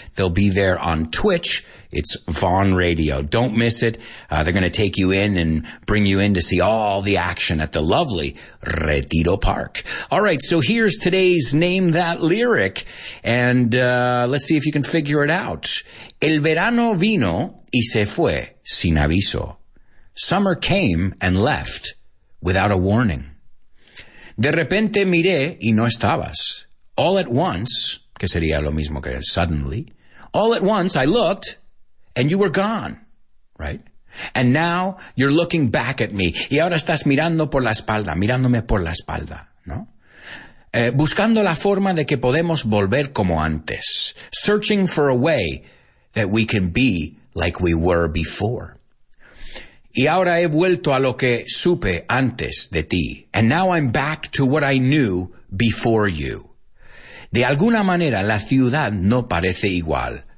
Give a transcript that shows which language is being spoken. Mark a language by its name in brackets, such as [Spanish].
[English] They'll be there on Twitch. It's Vaughn Radio. Don't miss it. They're going to take you in and bring you in to see all the action at the lovely Retiro Park. All right, so here's today's Name That Lyric, and let's see if you can figure it out. [Spanish] El verano vino y se fue sin aviso. [English] Summer came and left without a warning. De repente miré y no estabas. All at once, [Spanish] que sería lo mismo que [English] suddenly, all at once I looked and you were gone, right? And now you're looking back at me. [Spanish] Y ahora estás mirando por la espalda, mirándome por la espalda, ¿no? Buscando la forma de que podemos volver como antes. [English] Searching for a way that we can be like we were before. [Spanish] Y ahora he vuelto a lo que supe antes de ti. [English] And now I'm back to what I knew before you. [Spanish] De alguna manera, la ciudad no parece igual.